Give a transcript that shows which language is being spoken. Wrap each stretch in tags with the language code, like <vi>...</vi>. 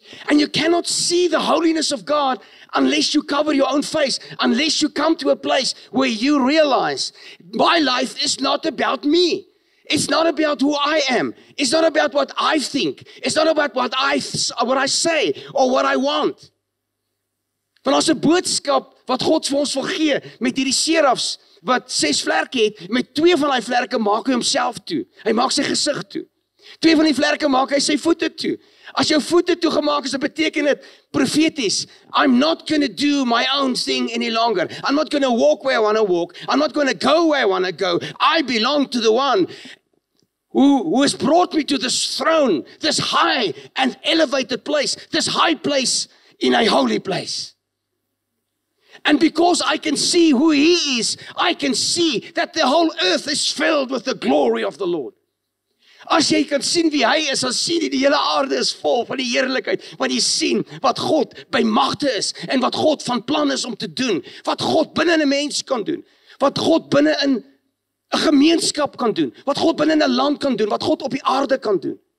<en>And you cannot see the holiness of God unless you cover your own face, unless you come to a place where you realize my life is not about me. It's not about who I am. It's not about what I think. It's not about what I say or what I want.</en> <af>Want ons 'n boodskap wat God vir ons wil gee met hierdie serafs wat 6 vlerke het, met 2 van daai vlerke maak hy homself toe. Hy maak sy gesig toe. 2 van die vlerke maak hy sy voete toe. As jou voete toegemaak is, dit beteken dit profeties.</af> <en>I'm not going to do my own thing any longer. I'm not going to walk where I want to walk. I'm not going to go where I want to go. I belong to the one who has brought me to this throne, this high and elevated place, this high place in a holy place. And because I can see who he is, I can see that the whole earth is filled with the glory of the Lord.</en> <af>As jy kan sien wie hy is, as sien jy die hele aarde is vol van die heerlikheid, want jy sien wat God by magte is, en wat God van plan is om te doen, wat God binne in 'n mens kan doen, wat God binne in 'n gemeenskap kan doen, wat God binne in 'n land kan doen, wat God op die aarde kan doen.</af>